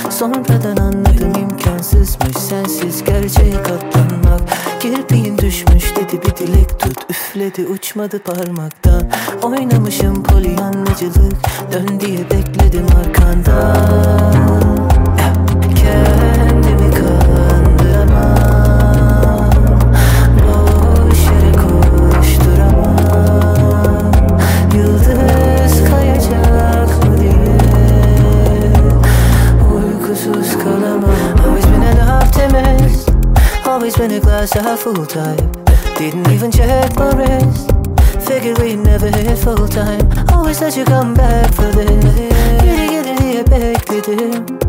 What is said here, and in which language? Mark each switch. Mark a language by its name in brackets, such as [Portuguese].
[Turkish] Sonradan anladım imkansızmış sensiz gerçeğe katlanmak. Kirpiğin düşmüş dedi bir dilek tut üfledi uçmadı parmaktan. Oynamışım polyanlacılık dön diye bekledim arkandan. Kendimi [English] always been a glass half full type. Didn't even check my wrist. Figured we'd never hit full time. Always let you come back for this. [Turkish] Giddy giddy diye bekledim.